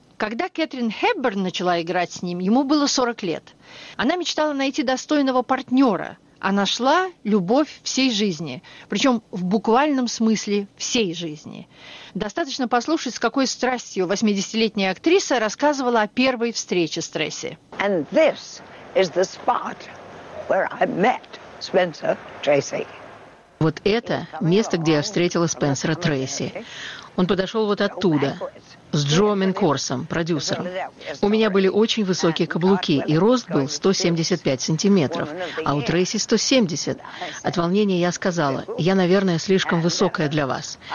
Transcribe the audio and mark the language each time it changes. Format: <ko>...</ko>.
<ru>Когда Кэтрин Хепберн начала играть с ним, ему было 40 лет. Она мечтала найти достойного партнера, а нашла любовь всей жизни, причем в буквальном смысле всей жизни. Достаточно послушать, с какой страстью 80-летняя актриса рассказывала о первой встрече с Тресси.</ru> <en>And this is the spot where I met Spencer Tracy.</en> <ru>Вот это место, где я встретила Спенсера Тресси. Он подошел вот оттуда, с Джо Менкорсом, продюсером. У меня были очень высокие каблуки, и рост был 175 сантиметров, а у Трейси 170. От волнения я сказала: «Я, наверное, слишком высокая для вас.</ru>